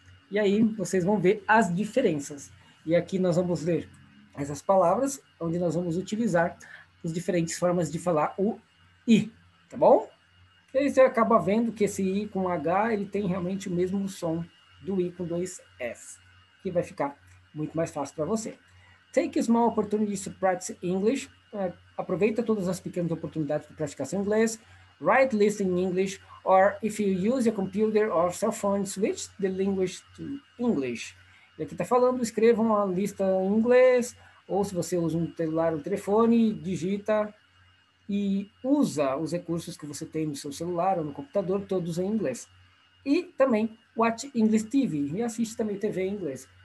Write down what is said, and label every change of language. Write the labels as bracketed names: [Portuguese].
[Portuguese] E aí vocês vão ver as diferenças. E aqui nós vamos ler essas palavras, onde nós vamos utilizar as diferentes formas de falar o i, tá bom? E aí você acaba vendo que esse i com h, ele tem realmente o mesmo som do i com dois s, que vai ficar muito mais fácil para você. [English] Take small opportunities to practice English. [Portuguese] Aproveita todas as pequenas oportunidades para praticar seu inglês. [English] Write, listen in English, or if you use a computer or cell phone, switch the language to English. [Portuguese] E aqui está falando, escreva uma lista em inglês. Ou se você usa um celular ou um telefone, digita e usa os recursos que você tem no seu celular ou no computador, todos em inglês. E também [English] watch English TV [Portuguese] e assiste também TV em inglês.